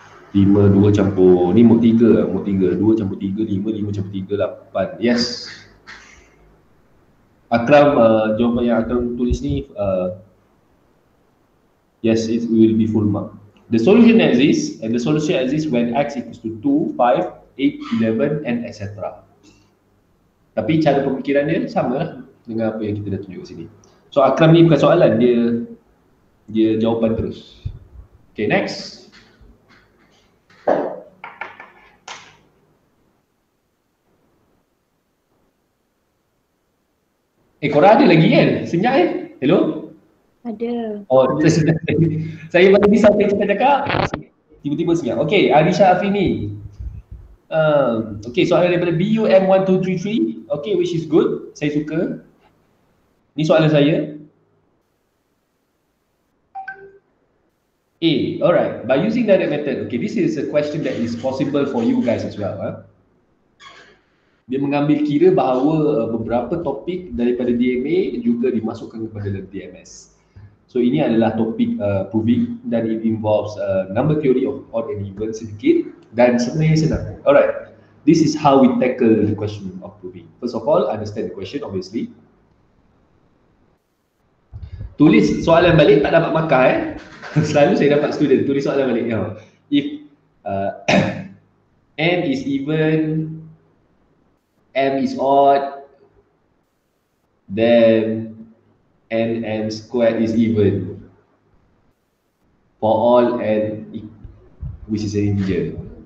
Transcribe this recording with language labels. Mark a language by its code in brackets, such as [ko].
[ms] 5, 2 campur, ni mod 3 lah, mod 3, 2 campur 3, 5, 5 campur 3, 8, yes. [en] Akram, jawapan yang Akram tulis ni, yes, it will be full mark. The solution exists, and the solution exists when x equals to 2, 5, 8, 11 and etc. [ms] Tapi cara pemikiran dia sama lah dengan apa yang kita dah tunjuk kat sini. So Akram ni bukan soalan, dia jawapan terus. Okay, next. Eh, korang ada lagi kan? Senyap eh? Hello? Ada. Oh, saya baru ni sampai kita cakap. Tiba-tiba senyap. Okay, Arisha Afini. Okay, soalan daripada BUM1233. [en] Okay, which is good. [ms] Saya suka. Ni soalan saya. [en] A, alright. By using direct method. Okay, this is a question that is possible for you guys as well. Huh? [ms] Dia mengambil kira bahawa beberapa topik daripada DMA juga dimasukkan kepada DMS. [en] So [ms] ini adalah topik [en] proving dan it involves number theory of odd and even [ms] sedikit dan sebenarnya senang. [en] Alright, this is how we tackle the question of proving. First of all, understand the question obviously. [ms] Tulis soalan balik, tak dapat markah eh. Selalu saya dapat student, tulis soalan balik. [en] You know. If n is even, m is odd, then n m squared is even for all n which is an integer.